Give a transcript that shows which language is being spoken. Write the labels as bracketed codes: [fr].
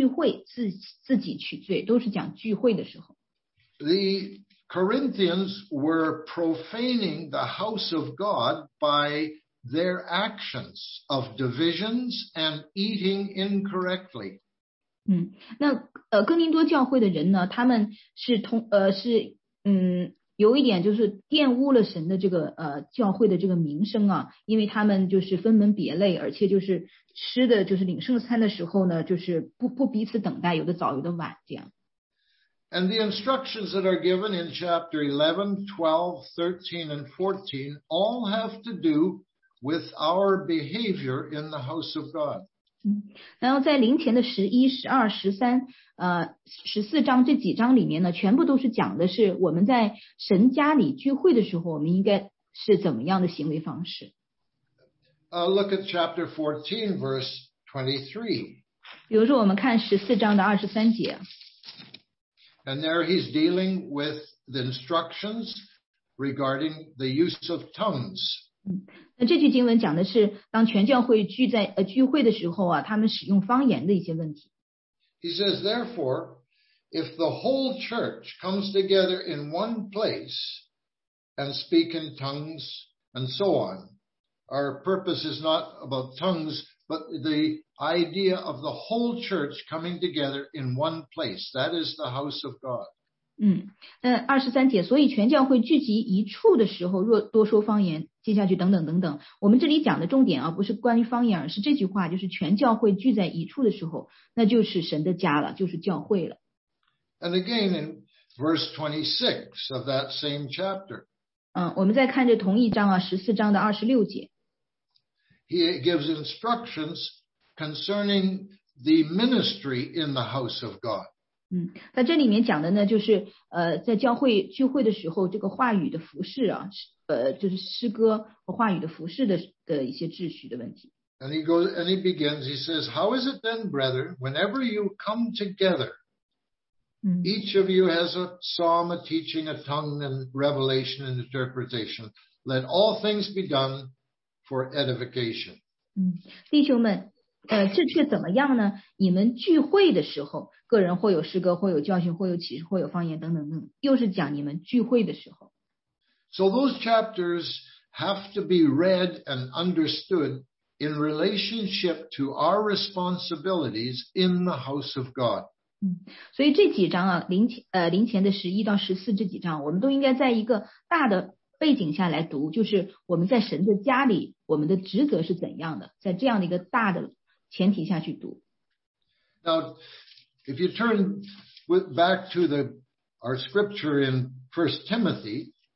[zh] 所以我们再看啊,同一章的,林前11章的33节和34节。所以我弟兄们,你们聚会吃的时候要彼此等待,若有人饥饿可以在家里先吃,免得你们聚会自己取罪,都是讲聚会的时候。 [en] The Corinthians were profaning the house of God by their actions of divisions and eating incorrectly. [zh] 嗯，那哥林多教会的人呢，他们是通是有一点就是玷污了神的这个教会的这个名声啊，因为他们就是分门别类，而且就是吃的就是领圣餐的时候呢，就是不彼此等待，有的早有的晚这样。 [en] And the instructions that are given in chapter 11, 12, 13, and 14 all have to do with our behavior in the house of God. [zh] 嗯，然后在灵前的11、12、13、14章这几章里面呢，全部都是讲的是我们在神家里聚会的时候，我们应该是怎么样的行为方式。 [en] Look at chapter 14, verse 23. [zh] 比如说我们看14章的23节。 [en] And there he's dealing with the instructions regarding the use of tongues. [zh] 那这句经文讲的是当全教会聚会的时候啊，他们使用方言的一些问题。 [en] He says, therefore, if the whole church comes together in one place and speak in tongues and so on, our purpose is not about tongues, but the idea of the whole church coming together in one place. That is the house of God. [zh] 嗯，那23节，所以全教会聚集一处的时候，若多说方言，接下去等等等等。我们这里讲的重点啊，不是关于方言，而是这句话，就是全教会聚在一处的时候，那就是神的家了，就是教会了。 [en] And again in verse 26 of that same chapter. [zh] 嗯，我们再看这同一章啊，14章的26节。 [en] He gives instructions concerning the ministry in the house of God. [zh] 嗯，在这里面讲的呢，就是在教会聚会的时候，这个话语的服事啊，就是诗歌和话语的服事的一些秩序的问题。 [en] And he goes, and he begins. He says, "How is it then, brethren, whenever you come together, each of you has a psalm, a teaching, a tongue, and revelation and interpretation. Let all things be done." For edification. [zh] 弟兄们，这却怎么样呢？你们聚会的时候，个人或有诗歌，或有教训，或有启示，或有方言等等等，又是讲你们聚会的时候。 [en] So those chapters have to be read and understood in relationship to our responsibilities in the house of God. [zh] 所以这几章啊，灵前的十一到十四这几章，我们都应该在一个大的背景下来读，就是我们在神的家里，我们的职责是怎样的，在这样的一个大的前提下去读。 [en] Now, if you turn back to our scripture in 1 Timothy,